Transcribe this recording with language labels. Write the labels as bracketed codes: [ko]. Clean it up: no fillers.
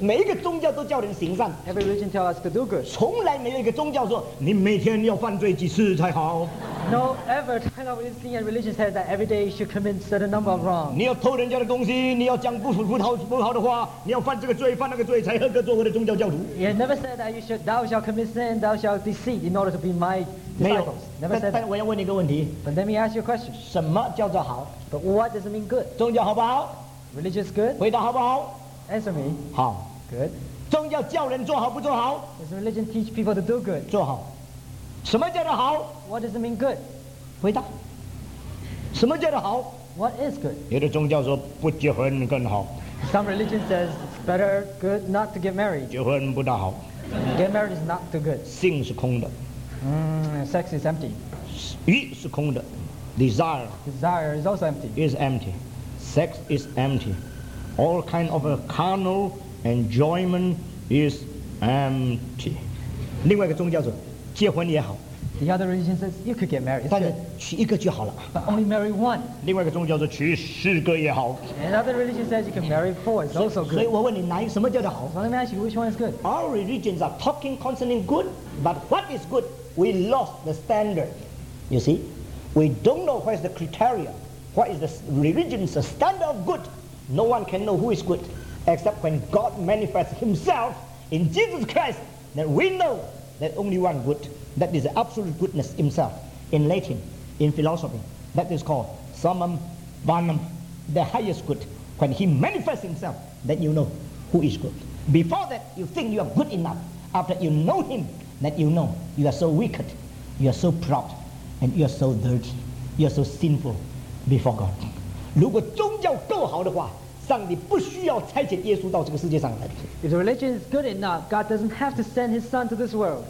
[zh] 每一个宗教都教人行善。 [en] Every religion tells us to do good. [zh] 从来没有一个宗教说你每天要犯罪几次才好。 [en] No ever. China we've seen a religion says that every day you should commit certain number of wrong. [zh] 你要偷人家的东西，你要讲不好的话，你要犯这个罪，犯那个罪，才合格作为的宗教教徒。 [en] Yeah, never said that you should. Thou shalt commit sin, thou shalt deceit in order to be my disciples. [zh] 没有。 [en] Never said that. [zh] 但我要问你一个问题。 [en] But let me ask you a question. [zh] 什么叫做好 [en] ？But what does it mean good? [zh] 宗教好不好 [en] ？Religion is good. [zh] 回答好不好 [en] ？Answer me. [zh] 好。 [en] Good. [zh] 宗教教人做好不做好 [en] ？Does religion teach people to do good? [zh] 做好。什么叫做好 [en] ？What does it mean good？ [zh] 回答。什么叫做好 [en] ？What is good？ [zh] 有的宗教说不结婚更好。 [en] Some religion says it's better good not to get married。 [zh] 结婚不大好。 [en] Get married is not too good。 [zh] 性是空的。 [en] Sex is empty。 [zh] 欲是空的。Desire。 [en] Desire is also empty。 Is empty。 Sex is empty。 All kind of carnal enjoyment is empty。 [zh] 另外一个宗教是结婚也好。 [en] The other religion says you could get married. [zh] 但是娶一个就好了。 [en] But only marry one. [zh] 另外一个宗教是娶十个也好。 [en] Another religion says you can marry four. It's also good. [zh] 所以我问你哪一个什么叫做好 [en] ？So let me ask you which one is good. Our religions are talking concerning good, but what is good? We lost the standard. You see, we don't know what is the criteria. What is the religion's standard of good? No one can know who is good, except when God manifests Himself in Jesus Christ. Then we know that only one good. That is the absolute goodness Himself. In Latin, in philosophy, that is called summum bonum, the highest good. When He manifests Himself, then you know who is good. Before that, you think you are good enough. After you know Him, then you know you are so wicked, you are so proud, and you are so dirty, you are so sinful before God. [zh] 如果宗教够好的话，上帝不需要差遣耶稣到这个世界上来。 [en] If the religion is good enough, God doesn't have to send His Son to this world.